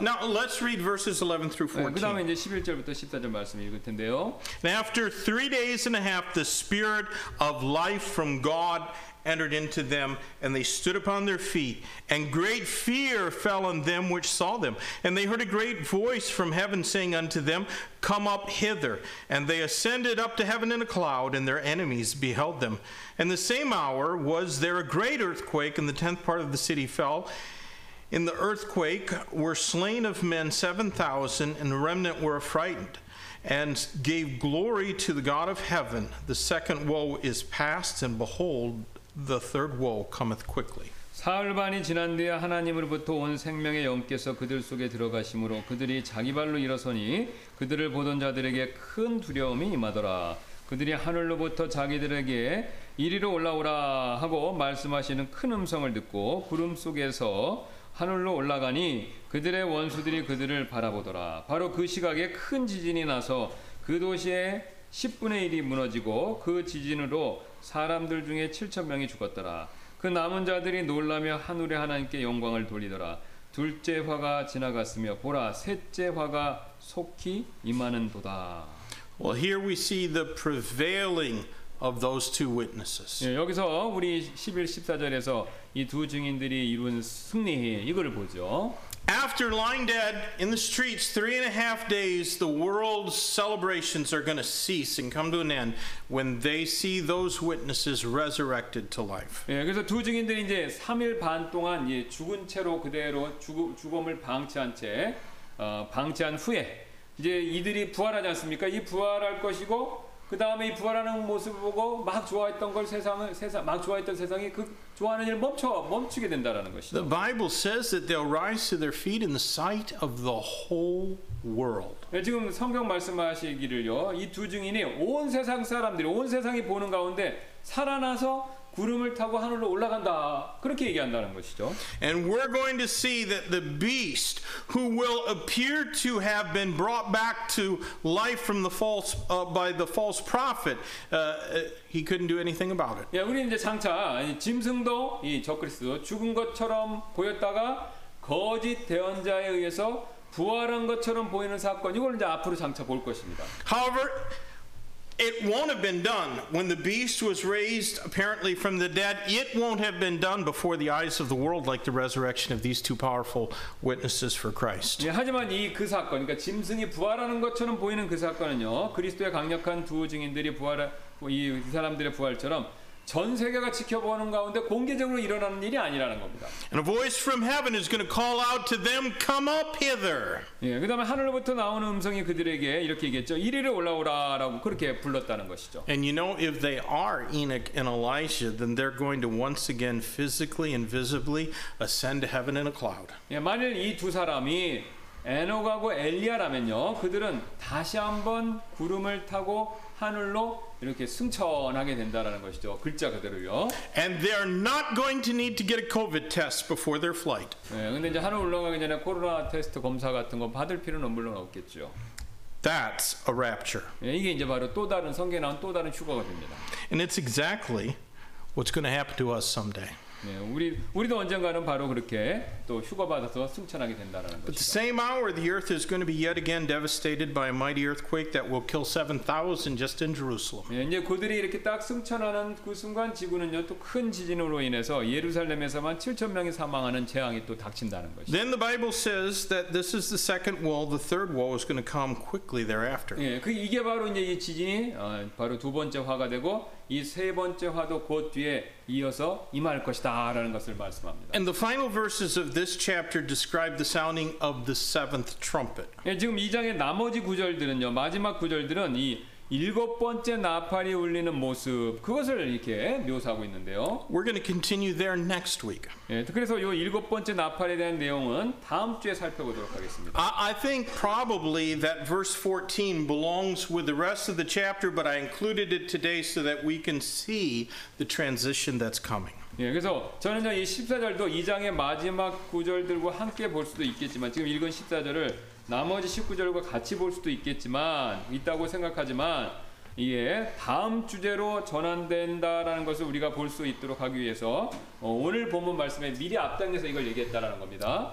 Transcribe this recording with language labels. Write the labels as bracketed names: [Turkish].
[English] Now let's read verses 11 through 14. [Korean] 네, 그다음에 이제 11절부터 14절 말씀 읽을 텐데요. [English] After 3 days and a half, the Spirit of life from God entered into them, and they stood upon their feet, and great fear fell on them which saw them. And they heard a great voice from heaven saying unto them, Come up hither. And they ascended up to heaven in a cloud, and their enemies beheld them. And the same hour was there a great earthquake, and the tenth part of the city fell. In the earthquake were slain of men 7,000, and the remnant were affrighted. And gave glory to the God of heaven. The second woe is past, and behold, the third woe cometh quickly. [Korean] 사흘 반이 지난 뒤에 하나님으로부터 온 생명의 영께서 그들 속에 들어가심으로 그들이 자기 발로 일어서니 그들을 보던 자들에게 큰 두려움이 임하더라. 그들이 하늘로부터 자기들에게 이리로 올라오라 하고 말씀하시는 큰 음성을 듣고 구름 속에서 하늘로 올라가니 그들의 원수들이 그들을 바라보더라. 바로 그 시각에 큰 지진이 나서 그 도시의 10분의 1이 무너지고 그 지진으로 사람들 중에 7천 명이 죽었더라. 그 남은 자들이 놀라며 하늘의 하나님께 영광을 돌리더라. 둘째 화가 지나갔으며 보라 셋째 화가 속히 임하는도다. [English] Well, here we see the prevailing of those two witnesses. [Korean] 예, 여기서 우리 11, 14절에서 이 두 증인들이 이룬 승리 이걸 보죠. [English] After lying dead in the streets 3.5 days, the world's celebrations are going to cease and come to an end when they see those witnesses resurrected to life. [Korean] 예, 그래서 두 증인들이 이제 3일 반 동안 이제 죽은 채로 그대로 죽음을 방치한 채 방치한 후에 이제 이들이 부활하지 않습니까? 이 부활할 것이고 그다음에 이 부활하는 모습을 보고 막 좋아했던 걸 세상 막 좋아했던 세상이 그 좋아하는 일 멈추게 된다라는 것이죠. [English] The Bible says that they'll rise to their feet in the sight of the whole world. [Korean] 예, 지금 성경 말씀하시기를요. 이 두 증인이 온 세상 사람들이 온 세상이 보는 가운데 살아나서 구름을 타고 하늘로 올라간다. 그렇게 얘기한다는 것이죠. [English] And we're going to see that the beast who will appear to have been brought back to life from the false by the false prophet he couldn't do anything about it. [Korean] 예, 우리는 이제 장차 짐승도 이 적그리스도 죽은 것처럼 보였다가 거짓 대언자에 의해서 부활한 것처럼 보이는 사건 이걸 이제 앞으로 장차 볼 것입니다. [English] However, it won't have been done when the beast was raised apparently from the dead. It won't have been done before the eyes of the world like the resurrection of these two powerful witnesses for Christ. [Korean] 예, 하지만 이 그 사건, 그러니까 짐승이 부활하는 것처럼 보이는 그 사건은요, 그리스도의 강력한 두 증인들이 부활, 이 사람들의 부활처럼 전 세계가 지켜보는 가운데 공개적으로 일어나는 일이 아니라는 겁니다. [English] And a voice from heaven is going to call out to them, "Come up hither." [Korean] 예, 그다음에 하늘로부터 나오는 음성이 그들에게 이렇게 얘기했죠. 이리로 올라오라라고 그렇게 불렀다는 것이죠. [English] And you know, if they are Enoch and Elijah, then they're going to once again physically and visibly ascend to heaven in a cloud. [Korean] 예, 만일 이 두 사람이 에녹하고 엘리야라면요, 그들은 다시 한번 구름을 타고 하늘로 이렇게 승천하게 된다라는 것이죠. 글자 그대로요. [English] And they are not going to need to get a COVID test before their flight. [Korean] 네, 근데 이제 하늘 올라가기 전에 코로나 테스트 검사 같은 거 받을 필요는 물론 없겠죠. [English] That's a rapture. [Korean] 네, 이게 이제 바로 또 다른 성경에 나온 또 다른 휴거가 됩니다. [English] And it's exactly what's going to happen to us someday. [Korean] 네, 우리도 언젠가는 바로 그렇게 또 휴거 받아서 승천하게 된다라는 것이죠. [English] But the same hour the earth is going to be yet again devastated by a mighty earthquake that will kill 7,000 just in Jerusalem. [Korean] 네, 이제 그들이 이렇게 딱 승천하는 그 순간 지구는요 또 큰 지진으로 인해서 예루살렘에서만 7천 명이 사망하는 재앙이 또 닥친다는 것이죠. [English] Then the Bible says that this is the second woe, the third woe is going to come quickly thereafter. [Korean] 네, 그 이게 바로 이제 이 지진이 바로 두 번째 화가 되고 이 세 번째 화도 곧 뒤에 이어서 임할 것이다 라는 것을 말씀합니다. [English] And the final verses of this chapter describe the sounding of the seventh trumpet. [Korean] 예, 지금 이 장의 나머지 구절들은요, 마지막 구절들은 이 일곱 번째 나팔이 울리는 모습 그것을 이렇게 묘사하고 있는데요. [English] We're going to continue there next week. [Korean] 예, 그래서 이 일곱 번째 나팔에 대한 내용은 다음 주에 살펴보도록 하겠습니다. [English] I think probably that verse 14 belongs with the rest of the chapter, but I included it today so that we can see the transition that's coming. [Korean] 예, 그래서 저는 이 14절도 이 장의 마지막 구절들과 함께 볼 수도 있겠지만 지금 읽은 14절을 나머지 19절과 같이 볼 수도 있겠지만 있다고 생각하지만 예, 다음 주제로 전환된다라는 것을 우리가 볼 수 있도록 하기 위해서 오늘 본문 말씀에 미리 앞당겨서 이걸 얘기했다라는 겁니다.